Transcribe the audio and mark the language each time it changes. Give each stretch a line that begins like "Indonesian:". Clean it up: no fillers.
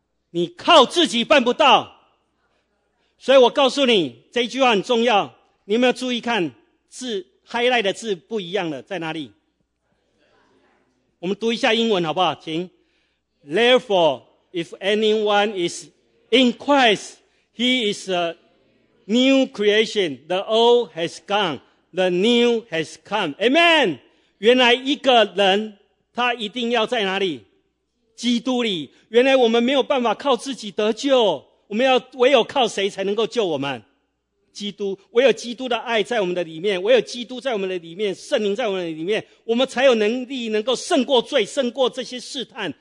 Chinese: 你靠自己办不到，所以我告诉你，这一句话很重要。你有没有注意看字 ？highlight 的字不一样了，在哪里？我们读一下英文好不好？请。
English: Therefore, if anyone is in Christ, he is a new creation. The old has gone, the new has come. Amen.
Chinese: 原来一个人他一定要在哪里？基督里。原来我们没有办法靠自己得救，我们要唯有靠谁才能够救我们？基督。唯有基督的爱在我们的里面，唯有基督在我们的里面，圣灵在我们的里面，我们才有能力能够胜过罪，胜过这些试探。